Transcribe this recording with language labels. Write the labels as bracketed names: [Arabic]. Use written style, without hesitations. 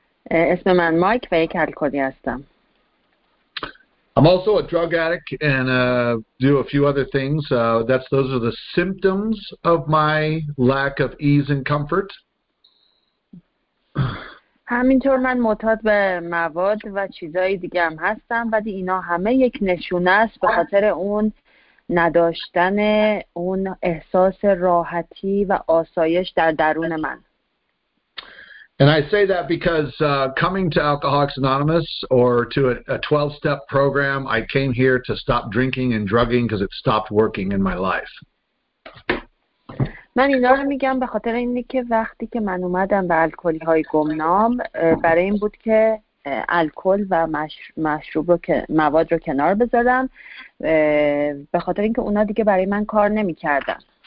[Persian] اسم من مایک و یک الکلی هستم. [English] I'm also a drug addict and do a few other things. Those are the symptoms of my lack of ease and comfort. [Persian] همینطور من معتاد به مواد و چیزهای دیگه هم هستم، ولی اینا همه یک نشونه است به خاطر اون نداشتن اون احساس راحتی و آسایش در درون من. [English] And I say that because coming to Alcoholics Anonymous or to a 12-step program, I came here to stop drinking and drugging because it stopped working in my life. [Persian] من اینا رو میگم به خاطر اینه که وقتی که من اومدم به الکلی های گمنام برای این بود که الکل و مشروب رو که مواد رو کنار بذارم به خاطر اینکه اونا دیگه برای من کار نمی‌کردن.